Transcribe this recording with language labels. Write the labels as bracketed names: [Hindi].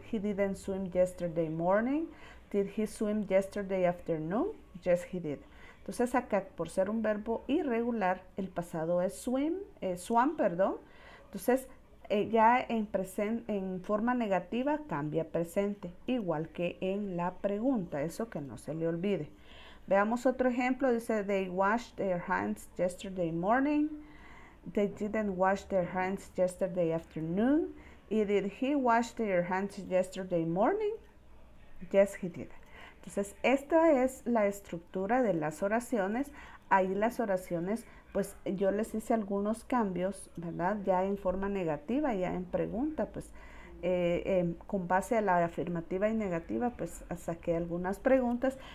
[English] He didn't swim yesterday morning. Did he swim yesterday afternoon? Yes, he did. [Spanish] Entonces acá, por ser un verbo irregular, el pasado es swim, swam, perdón. Entonces ya en forma negativa cambia presente, igual que en la pregunta, eso que no se le olvide. [English] Veamos otro ejemplo, dice, they washed their hands yesterday morning, they didn't wash their hands yesterday afternoon, y did he wash their hands yesterday morning? Yes, he did. [Spanish] Entonces, esta es la estructura de las oraciones. Ahí las oraciones, pues yo les hice algunos cambios, ¿verdad? Ya en forma negativa, ya en pregunta, pues con base a la afirmativa y negativa, pues saqué algunas preguntas.